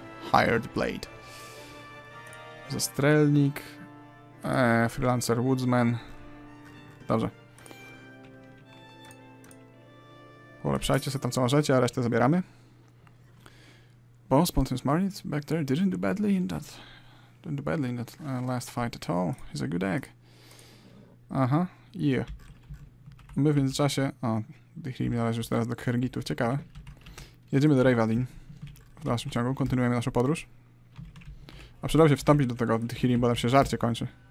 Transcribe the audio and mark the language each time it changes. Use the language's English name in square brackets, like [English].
[Polish] Hired Blade. Zastrelnik. Freelancer Woodsman. Dobrze. Polepszajcie sobie tam co możecie, a resztę zabieramy. [English] Boss, Pontius Smarnitz, back there, didn't do badly in that... Didn't do badly in that last fight at all. He's a good egg. Aha, yeah. [Polish] My w międzyczasie... O, Dichrim należy już teraz do Kergitów, ciekawe. Jedziemy do Reyvadin. W dalszym ciągu, kontynuujemy naszą podróż. A przydał się wstąpić do tego Dichrim, bo tam się żarcie kończy.